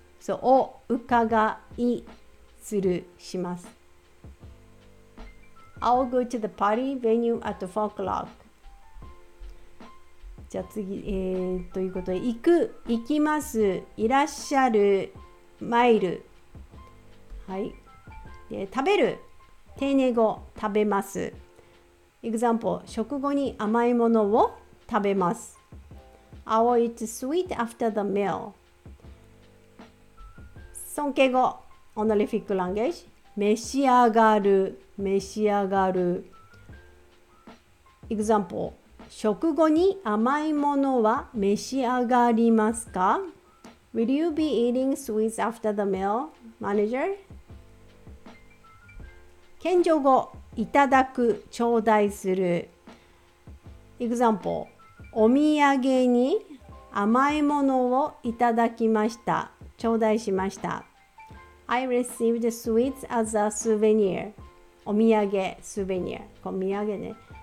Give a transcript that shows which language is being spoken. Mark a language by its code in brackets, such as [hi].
[ja] So お伺いするします。 [en] I'll go to the party venue at 4 o'clock. [ja] じゃあ次、ということで、行く、行きます、いらっしゃる、参る。はい。で、食べる、丁寧語、食べます。 Example, 食後に甘いものを食べます。 [en] I will eat sweet after the meal. [ja] 尊敬語、honorific language, 召し上がる。召し上がる。Example, 食後に甘いものは召し上がりますか? [en] Will you be eating sweets after the meal, manager? [ja] 謙譲語、いただく、頂戴する。 Example, お土産に甘いものをいただきました、頂戴しました。 [en] I received sweets as a souvenir. [ja] お土産、スーベニア。お土産ね。